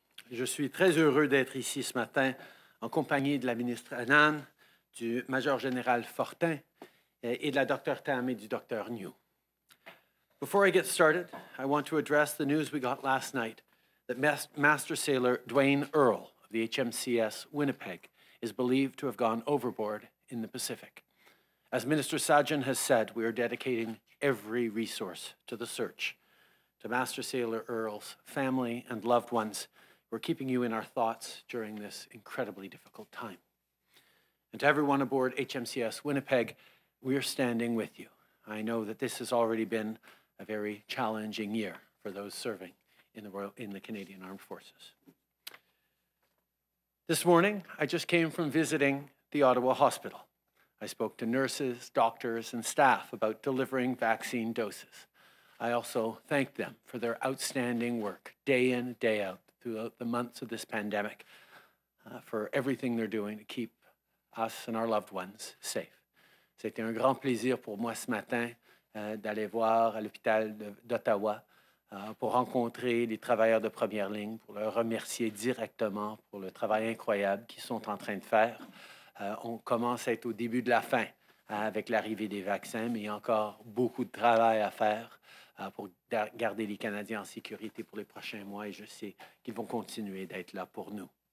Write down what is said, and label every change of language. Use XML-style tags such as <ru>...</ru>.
<fr>Je suis très heureux d'être ici ce matin en compagnie de la ministre Annan, du major général Fortin et de la docteure Tam et du docteur New.</fr> <en>Before I get started, I want to address the news we got last night that Master Sailor Dwayne Earle of the HMCS Winnipeg is believed to have gone overboard in the Pacific. As Minister Sajjan has said, we are dedicating every resource to the search. To Master Sailor Earle's family and loved ones, we're keeping you in our thoughts during this incredibly difficult time. And to everyone aboard HMCS Winnipeg, we are standing with you. I know that this has already been a very challenging year for those serving in the Canadian Armed Forces. This morning, I just came from visiting the Ottawa Hospital. I spoke to nurses, doctors, and staff about delivering vaccine doses. I also thanked them for their outstanding work day in, day out, throughout the months of this pandemic, for everything they're doing to keep us and our loved ones safe.</en> <fr>C'était un grand plaisir pour moi ce matin d'aller voir à l'hôpital d'Ottawa pour rencontrer les travailleurs de première ligne, pour leur remercier directement pour le travail incroyable qu'ils sont en train de faire. On commence à être au début de la fin avec l'arrivée des vaccins, mais il y a encore beaucoup de travail à faire pour garder les Canadiens en sécurité pour les prochains mois, et je sais qu'ils vont continuer d'être là pour nous.</fr>